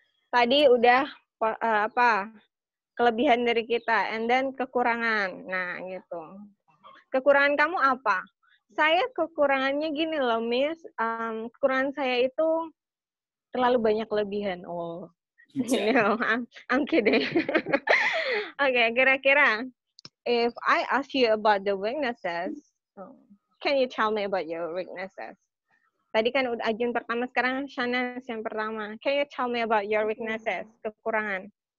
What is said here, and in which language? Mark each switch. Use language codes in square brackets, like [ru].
[id] Tadi udah kelebihan dari kita, [en] and then [id] kekurangan. Nah, gitu. Kekurangan kamu apa? Saya kekurangannya gini loh, Miss. Kekurangan saya itu terlalu banyak kelebihan. [en] Oh, you know, I'm kidding. Okay, kira-kira, if I ask you about the weaknesses, can you tell me about your weaknesses? [id] Tadi kan udah ajun pertama, sekarang Shana yang pertama. [en] Can you tell me about your weaknesses, kekurangan?